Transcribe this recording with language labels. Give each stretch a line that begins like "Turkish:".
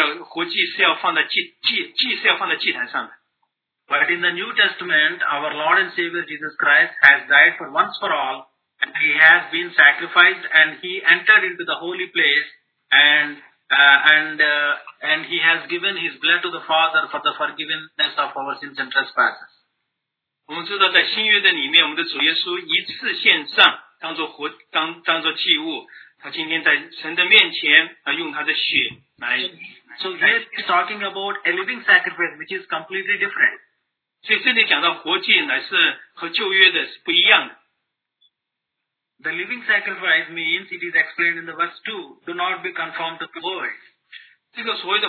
Chinese: 我们都知道，在旧约里边，活祭是要放在祭坛上的。
English: But in the New Testament, our Lord and Savior Jesus Christ has died for once for all, and He has been sacrificed, and He entered into the holy place, and He has given His blood to the Father for the forgiveness of our sins and trespasses.
Chinese: 我们知道，在新约的里面，我们的主耶稣一次献上，当作活，当作祭物，他今天在神的面前，用他的血来。
English: So here He is talking about a living sacrifice, which is completely different.
Chinese: 所以这里讲到活祭乃是和旧约的是不一样的。
English: The living sacrifice means, it is explained in the verse 2, do not be conformed to the world.